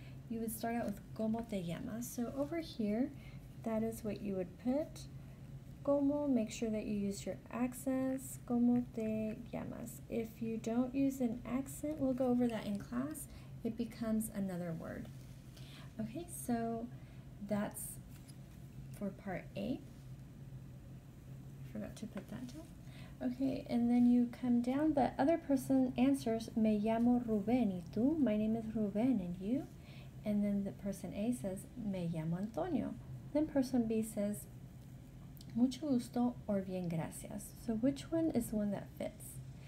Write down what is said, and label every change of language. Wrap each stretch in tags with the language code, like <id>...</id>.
<en>You would start out with</en> <es>¿cómo te llamas?</es> <en>So over here, that is what you would put.</en> <es>¿Cómo?</es> <en>Make sure that you use your accents.</en> <es>¿Cómo te llamas?</es> <en>If you don't use an accent, we'll go over that in class, it becomes another word. Okay, so that's for part A. I forgot to put that down. Okay, and then you come down, the other person answers,</en> <es>me llamo Rubén, y tú?</es> <en>My name is Rubén, and you? And then the person A says,</en> <es>me llamo Antonio.</es> <en>Then person B says,</en> <es>mucho gusto,</es> <en>or</en> <es>bien gracias.</es> <en>So which one is the one that fits?</en>